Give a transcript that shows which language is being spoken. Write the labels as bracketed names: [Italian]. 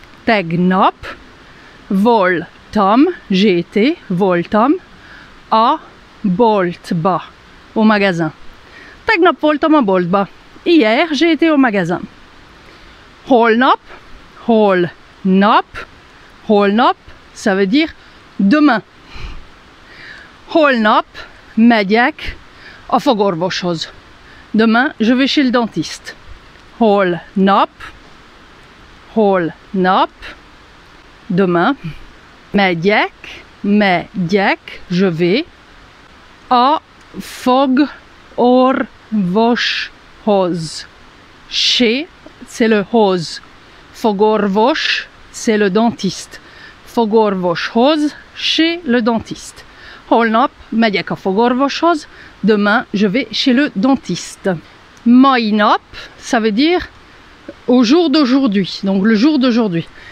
[Hungarian] Teg nap, voltam, [French] j'ai été, [Hungarian] voltam, a boltba, [French] au magasin. [Hungarian] Teg nap, voltam a boltba. [French] Hier, j'ai été au magasin. [Hungarian] Holnap, holnap, holnap, [French] ça veut dire demain. [Hungarian] Holnap, megyek a fogorvoshoz. [French] Demain, je vais chez le dentiste. [Hungarian] Holnap, holnap, [French] demain. [Hungarian] Megyek, megyek, [French] je vais [Hungarian] a fogorvoshoz. [French] Chez, c'est le hoz. Fogorvosh, c'est le dentiste. Fogorvoshoz, chez le dentiste. [Hungarian] Holnap megyek a fogorvoshoz, [French] demain je vais chez le dentiste. [Hungarian] Mai nap, [French] ça veut dire au jour d'aujourd'hui, donc le jour d'aujourd'hui.